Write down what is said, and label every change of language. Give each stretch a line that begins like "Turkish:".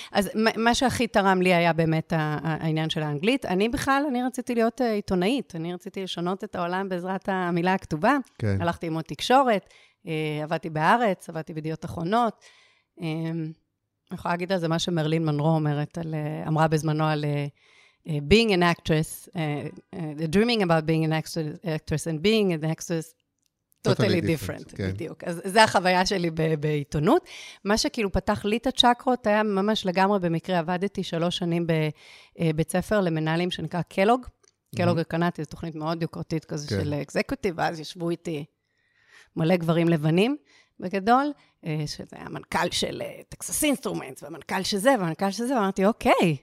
Hebrew: אז מה שהכי תרם לי היה באמת העניין של האנגלית. אני בכלל, אני רציתי להיות עיתונאית, אני רציתי לשנות את העולם בעזרת המילה הכתובה. כן. הלכתי עם עוד תקשורת, עבדתי בארץ, עבדתי בדיעות אחרונות. אני יכולה להגיד על זה מה שמרלין מנרו אומרת, אמרה בזמנו על...
English: being an actress, dreaming about being an actress and being an actress, totally different.
Hebrew: בדיוק. אז זה החוויה שלי בעיתונות. מה שכאילו פתח לי את הצ'קרות, היה ממש לגמרי במקרה, עבדתי 3 שנים בבית ספר למנהלים שנקרא קלוג. קלוג הקנתי, זו תוכנית מאוד יוקרתית כזו של אקזקוטיב, ואז ישבו איתי מלא גברים לבנים בגדול, שזה היה מנכ״ל של טקסס אינסטרומנט, ומנכ״ל שזה, ומנכ״ל שזה, ואמרתי, אוקיי.